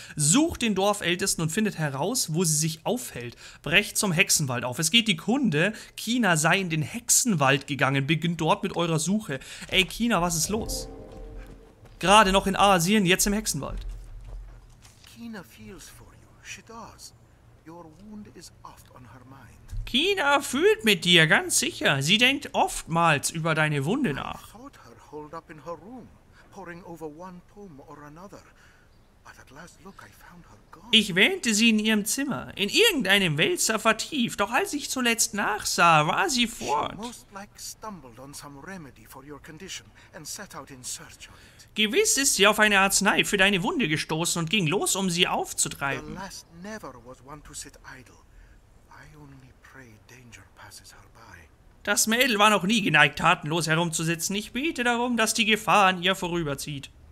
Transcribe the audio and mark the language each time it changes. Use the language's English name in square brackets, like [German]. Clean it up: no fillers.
[German] Sucht den Dorfältesten und findet heraus, wo sie sich aufhält. Brecht zum Hexenwald auf. Es geht die Kunde, Kina sei in den Hexenwald gegangen. Beginnt dort mit eurer Suche. Ey, Kina, was ist los? Gerade noch in Asien, jetzt im Hexenwald. [English] Kina feels for you. She does. Your wound is oft on her mind. [German] Kina fühlt mit dir, ganz sicher. Sie denkt oftmals über deine Wunde nach. [English] I thought her holed up in her room, poring over one poem or another. But at last look, I found her gone. [German] Ich wähnte sie in ihrem Zimmer, in irgendeinem Wälzer vertieft. Doch als ich zuletzt nachsah, war sie fort. [English] She most like stumbled on some remedy for your condition and set out in search of it. [German] Gewiss ist sie auf eine Arznei für deine Wunde gestoßen und ging los, um sie aufzutreiben. [English] The last never was one to sit idle. I only pray danger passes her by. [German] Das Mädel war noch nie geneigt, tatenlos herumzusitzen. Ich bete darum, dass die Gefahr an ihr vorüberzieht.